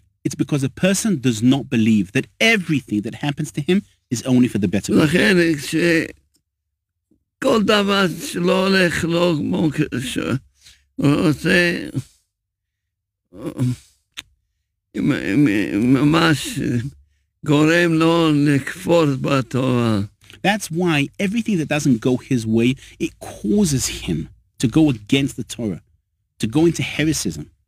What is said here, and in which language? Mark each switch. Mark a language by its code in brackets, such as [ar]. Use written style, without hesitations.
[en] It's because a person does not believe that everything that happens to him is only for the better. [he] לכן כל דבר שלא הולך לו כמו שעושה ממש גורם לו לקפוץ בתורה. [en] That's why everything that doesn't go his way, it causes him to go against the Torah, to go into heresism.